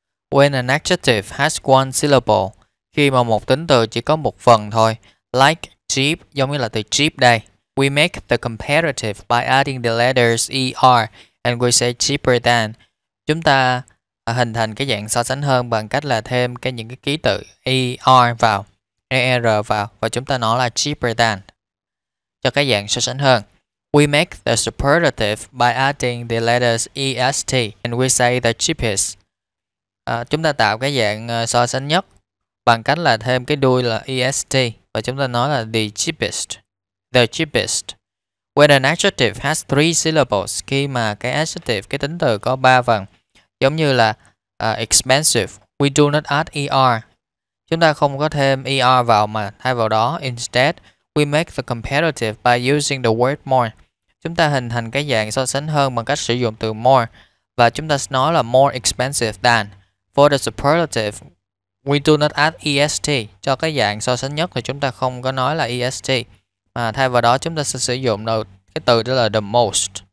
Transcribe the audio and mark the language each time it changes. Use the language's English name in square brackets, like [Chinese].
[English] When an adjective has one syllable, [Vietnamese] khi mà một tính từ chỉ có một phần thôi, [English] like cheap, [Vietnamese] giống như là từ cheap đây, [English] we make the comparative by adding the letters er and we say cheaper than. [Vietnamese] Chúng ta hình thành cái dạng so sánh hơn bằng cách là thêm cái những cái ký tự er vào. ER vào và chúng ta nói là cheaper than cho cái dạng so sánh hơn. [English] We make the superlative by adding the letters EST and we say the cheapest. [Vietnamese] Chúng ta tạo cái dạng so sánh nhất bằng cách là thêm cái đuôi là EST và chúng ta nói là the cheapest. The cheapest. [English] When an adjective has three syllables, [Vietnamese] khi mà cái adjective, cái tính từ có 3 phần, giống như là [English] expensive, we do not add ER. [Vietnamese] Chúng ta không có thêm ER vào mà thay vào đó. [English] Instead, we make the comparative by using the word more. [Vietnamese] Chúng ta hình thành cái dạng so sánh hơn bằng cách sử dụng từ more. Và chúng ta nói là more expensive than. [English] For the superlative, we do not add EST. [Vietnamese] Cho cái dạng so sánh nhất thì chúng ta không có nói là EST. Mà thay vào đó chúng ta sẽ sử dụng được cái từ đó là the most.